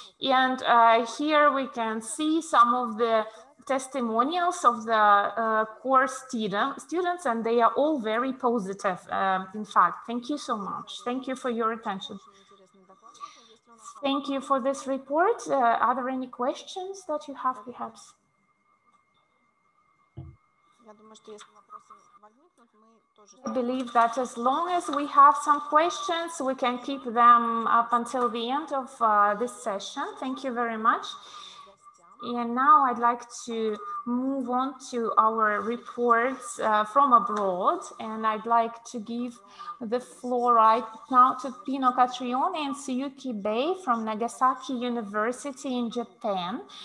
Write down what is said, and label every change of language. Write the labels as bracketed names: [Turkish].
[English] And here we can see some of the testimonials of the course students, and they are all very positive. In fact, thank you so much. Thank you for your attention. Thank you for this report. Are there any questions that you have, perhaps? [Russian] Я думаю, что если вопросы возникнут, мы... [English] I believe that as long as we have some questions, we can keep them up until the end of this session. Thank you very much. And now I'd like to move on to our reports from abroad. And I'd like to give the floor right now to Pino Catrione and Tsuyuki Bey from Nagasaki University in Japan.